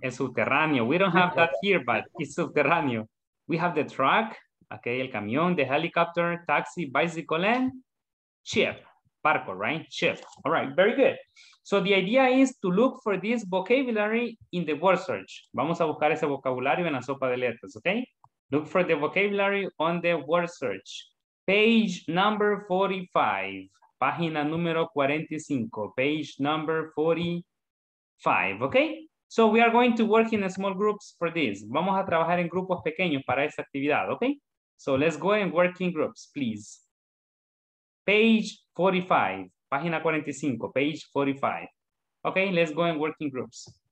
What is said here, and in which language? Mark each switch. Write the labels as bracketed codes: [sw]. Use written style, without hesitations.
[es] El subterráneo. [en] We don't have that here, but it's subterráneo. We have the truck, okay, el camión, the helicopter, taxi, bicycle, and ship. Barco, right? Ship. All right, very good. So the idea is to look for this vocabulary in the word search. [es] Vamos a buscar ese vocabulario en la sopa de letras, okay? [en] Look for the vocabulary on the word search. Page number 45. Página número 45. Page number 45, okay? So we are going to work in small groups for this. [es] Vamos a trabajar en grupos pequeños para esta actividad, okay? [en] So let's go and work in groups, please. Page 45, página 45, page 45. Okay, let's go and work in groups.